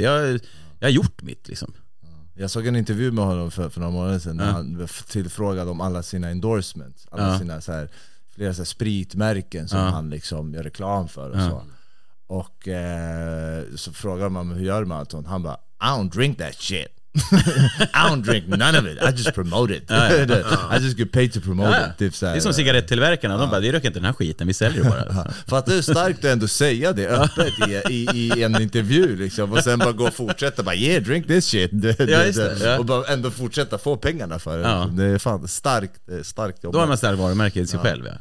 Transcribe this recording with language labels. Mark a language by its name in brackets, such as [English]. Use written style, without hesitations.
[Swedish] Jag har gjort mitt liksom. Jag såg en intervju med honom för några månader sedan, ja, när han tillfrågade om alla sina endorsements, alla, ja, sina så här, flera så här spritmärken som, ja, han liksom gör reklam för och, ja, så. Och så frågade man hur gör man allt sånt. [English] Han bara, I don't drink that shit. I don't drink none of it. I just promote it. I just get paid to promote it. [Swedish] Typ så här. Det är som cigarettillverkarna. De bara, vi röker inte den här skiten, vi säljer bara. För att det är starkt att ändå säga det öppet i en intervju liksom. Och sen bara gå och fortsätta bara, [English] yeah, drink this shit. [Swedish] Och bara ändå fortsätta få pengarna för det. Det är fan starkt jobb. Då har man starkt varumärke i sig själv, ja.